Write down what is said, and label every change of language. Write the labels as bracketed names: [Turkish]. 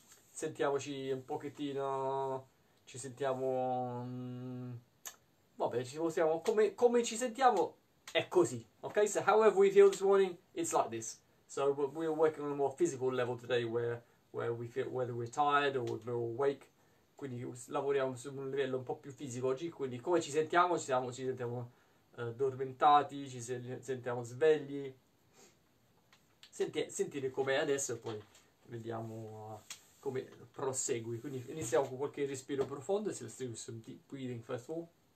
[Italian] Sentiamoci un pochettino, ci sentiamo, vabbè, ci possiamo, come ci sentiamo è così, ok? [English] So however we feel this morning, it's like this. So we're working on a more physical level today where we feel, whether we're tired or we're awake. [Italian] Quindi lavoriamo su un livello un po' più fisico oggi, quindi come ci sentiamo? Ci sentiamo addormentati, ci sentiamo svegli. Sentire com'è adesso e poi vediamo come prosegui. Quindi iniziamo con qualche respiro profondo, [English] so let's do some deep breathing first of all.